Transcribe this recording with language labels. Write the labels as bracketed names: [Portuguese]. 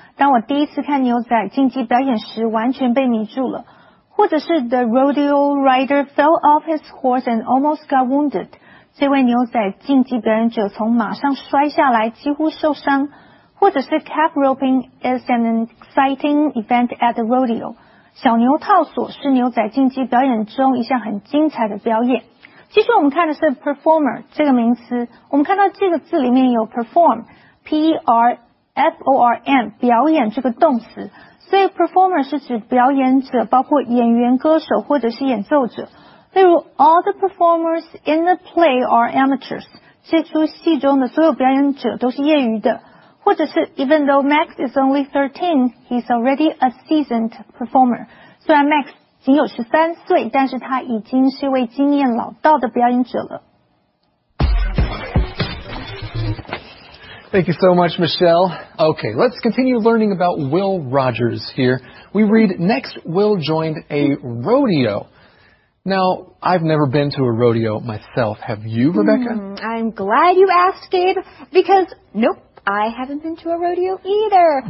[Chinese] 当我第一次看牛仔竞技表演时完全被迷住了。或者是 [English] The rodeo rider fell off his horse and almost got wounded. [Chinese] 这位牛仔竞技表演者从马上摔下来几乎受伤。或者是 [English] calf roping is an exciting event at the rodeo. [Chinese] 小牛套索是牛仔竞技表演中一项很精彩的表演。其实我们看的是 performer 这个名词，我们看到这个字里面有 perform, P-E-R-F-O-R-M, 表演这个动词。所以 performer 是指表演者，包括演员、歌手或者是演奏者。例如 [English] ,all the performers in the play are amateurs, [Chinese] 这出戏中的所有表演者都是业余的。或者是 [English] even though Max is only 13, he's already a seasoned performer. [Chinese] 虽然 Max 仅有13岁，但是他已经是一位经验老道的表演者了。 [English] Thank you so much, Michelle. Okay, let's continue learning about Will Rogers here. We read, next, Will joined a rodeo. Now, I've never been to a rodeo myself. Have you, Rebecca? I'm glad you asked, Gabe, because, nope, I haven't been to a rodeo either.